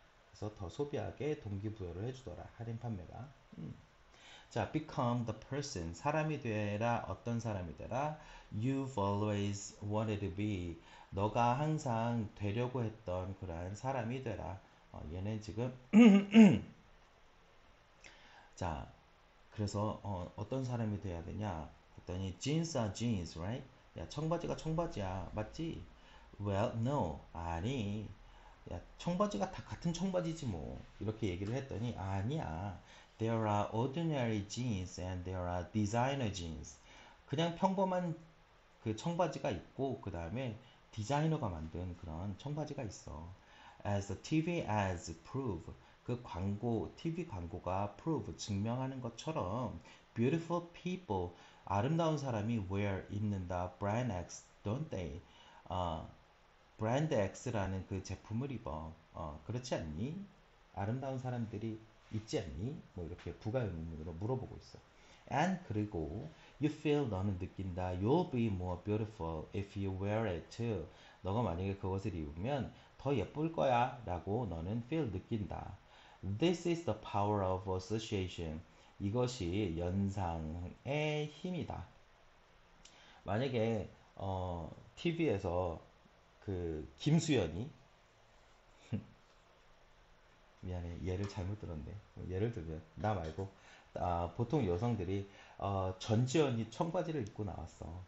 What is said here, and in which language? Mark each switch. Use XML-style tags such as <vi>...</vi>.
<ko>그래서 더 소비하게 동기부여를 해주더라 할인 판매가 자</ko> <en>become the person</en> <ko>사람이 되라 어떤 사람이 되라</ko> <en>you've always wanted to be</en> <ko>너가 항상 되려고 했던 그러한 사람이 되라 얘는 지금 자 그래서 어떤 사람이 되어야 되냐 그랬더니</ko> <en>jeans are jeans, right?</en> <ko>야, 청바지가 청바지야, 맞지?</ko> <en>Well, no,</en> <ko>아니. 야, 청바지가 다 같은 청바지지 뭐. 이렇게 얘기를 했더니 아니야.</ko> <en>There are ordinary jeans and there are designer jeans.</en> <ko>그냥 평범한 그 청바지가 있고 그 다음에 디자이너가 만든 그런 청바지가 있어.</ko> <en>As the TV ads prove,</en> <ko>그 광고, TV 광고가 prove 증명하는 것처럼</ko> <en>beautiful people</en> <ko>아름다운 사람이 wear 입는다.</ko> <en>Brand X, don't they?</en> <ko>Brand X라는 그 제품을 입어. 그렇지 않니? 아름다운 사람들이 있지 않니? 뭐 이렇게 부가 의문으로 물어보고 있어. And 그리고</ko> <en>you feel</en> <ko>너는 느낀다.</ko> <en>You'll be more beautiful if you wear it too.</en> <ko>너가 만약에 그것을 입으면 더 예쁠 거야라고 너는 feel 느낀다.</ko> <en>This is the power of association.</en> <ko>이것이 연상의 힘이다. 만약에 TV에서 그 김수현이 미안해 얘를 잘못 들었네. 예를 들면 나 말고 보통 여성들이 전지현이 청바지를 입고 나왔어.</ko>